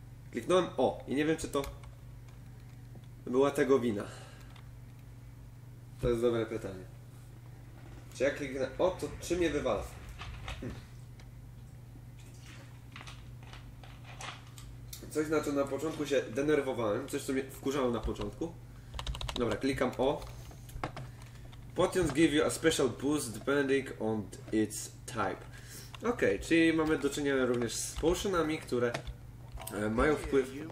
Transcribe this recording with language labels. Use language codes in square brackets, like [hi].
[pl] Kliknąłem O i nie wiem, czy to była tego wina. To jest dobre pytanie. Czy jak kliknę O, to czy mnie wywala? Coś, na co na początku się denerwowałem. Coś, co mnie wkurzało na początku. Dobra, klikam O. [en] Potions give you a special boost depending on its type. [pl] Okej, okay, czyli mamy do czynienia również z potionami, które mają wpływ...